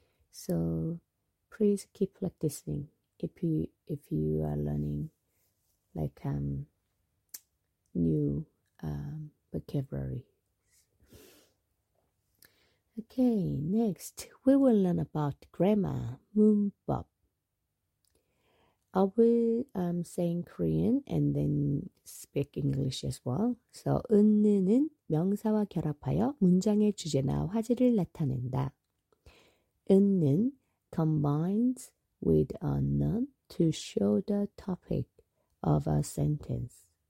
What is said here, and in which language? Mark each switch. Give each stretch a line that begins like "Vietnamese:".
English: So please keep practicing. If you are learning like new vocabulary. Okay, next we will learn about grammar, 문법. I will say in Korean and then speak English as well.
Korean: So 은는 명사와 결합하여 문장의 주제나 화제를 나타낸다.
English: 은는 combines with a noun to show the topic of a sentence.